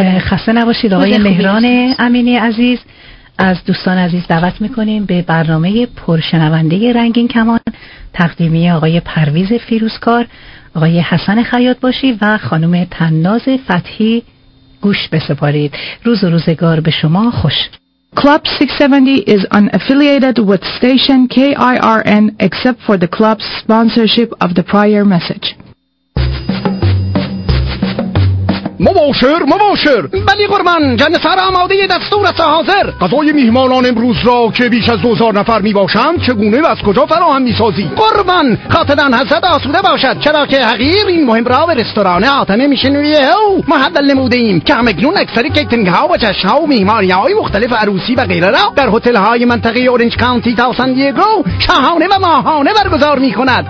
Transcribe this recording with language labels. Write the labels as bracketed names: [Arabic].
[Persian] خسته نباشید آقای مهران امینی عزیز. از دوستان عزیز دعوت میکنیم به برنامه پرشنونده رنگین کمان، تقدیمی آقای پرویز فیروزکار، آقای حسن خیاط باشی و خانم تناز فتحی گوش بسپارید. روز و روزگار به شما خوش. [English] Club 670 is unaffiliated with station KIRN except for the club's sponsorship of the prior message. [Persian] مباشر مباشر. بلی قربان، جان سر آماده دستور است حاضر. غذای میهمانان امروز را که بیش از 2000 نفر میباشند چگونه و از کجا فراهم میسازی؟ قربان، خاطران حضرت آسوده باشد، چرا که حقیر این مهم را به رستوران آتمه میشنویه او محدل نموده ایم که همکنون اکثری کیترینگ ها و چشن ها و میهمانی های مختلف عروسی و غیره را در هتل های منطقه اورنج کانتی تا سان دیگو شاهانه و ماهانه برگزار میکند.